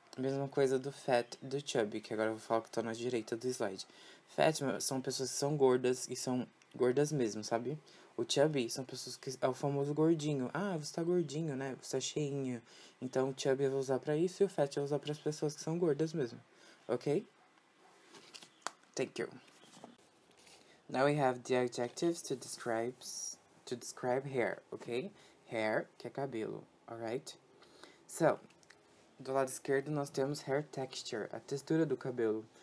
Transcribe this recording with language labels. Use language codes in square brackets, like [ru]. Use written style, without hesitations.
[pt] Mesma coisa do fat, do chubby, que agora eu vou falar que tá na direita do slide. Fat são pessoas que são gordas e são gordas mesmo, sabe? O chubby são pessoas que é o famoso gordinho. Ah, você tá gordinho, né? Você tá cheinho. Então, o chubby eu vou usar para isso e o fat eu vou usar para as pessoas que são gordas mesmo. [en] Okay? Thank you. Now we have the adjectives to describe hair, okay? [pt] Hair, que é cabelo, [en] alright? [pt] So, do lado esquerdo nós temos hair texture, a textura do cabelo.